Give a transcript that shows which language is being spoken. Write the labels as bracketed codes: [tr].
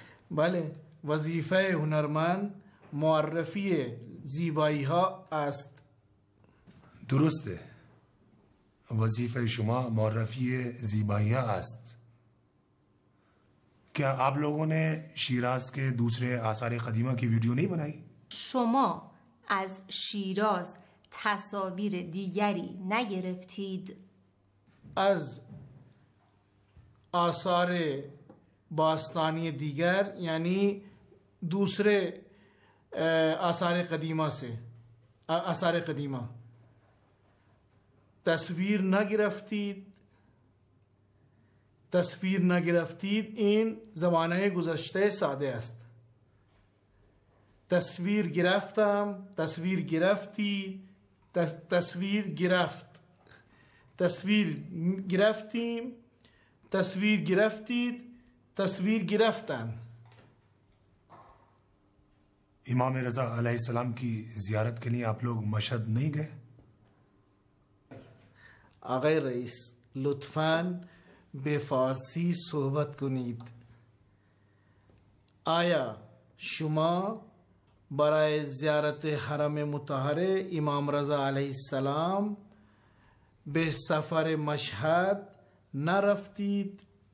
[fa] بله، وظیفه هنرمند معرفی زیبایی ها است. درسته، وظیفه شما معرفی زیبایی ها است. [ur] کیا آپ لوگوں نے شیراز کے دوسرے آثار قدیمہ کی ویڈیو نہیں بنائی؟ [fa] شما از شیراز تصاویر دیگری نگرفتید؟ از آثار باستانی دیگر یعنی [ur] دوسرے آثار قدیمہ سے آثار قدیمہ [fa] تصویر نہ گرفتید؟ تصویر نہ گرفتید این زمانہ گزشتہ ساده است. تصویر گرفتم، تصویر گرفتی، تصویر گرفت، تصویر گرفتیم، تصویر گرفتید، تصویر گرفتن. [ur] امام رضا علیہ السلام کی زیارت کے لیے آپ لوگ مشہد نہیں گئے؟ [fa] آقای رئیس لطفاً به فارسی صحبت کنید. آیا شما برای زیارت حرم مطهر امام رضا علیہ السلام به سفر مشهد نرفتید؟